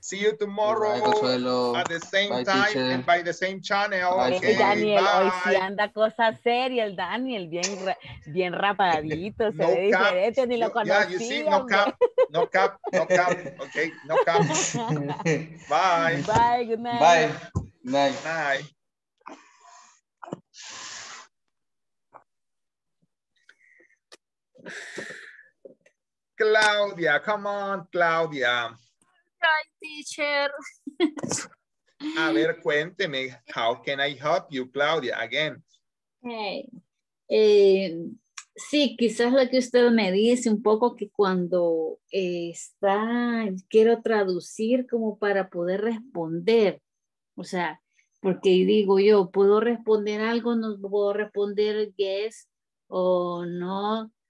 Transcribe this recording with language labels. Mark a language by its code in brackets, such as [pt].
[en] See you tomorrow at the same time and by the same channel. Okay. [es] Daniel, hoy sí anda cosa seria el Daniel, bien rapadito. Se ve diferente, ni lo conocí. [en] Yeah, you see, no cap. Okay, no cap. Bye. Bye, good night. Bye. Good night. Bye. Claudia, come on, Claudia. Hi, teacher. [es] A ver, cuénteme, [en] how can I help you, Claudia, again? Hey. [es] Sí, quizás lo que usted me dice un poco que cuando está, quiero traducir como para poder responder, o sea, porque digo yo, ¿puedo responder algo? ¿No puedo responder yes o no?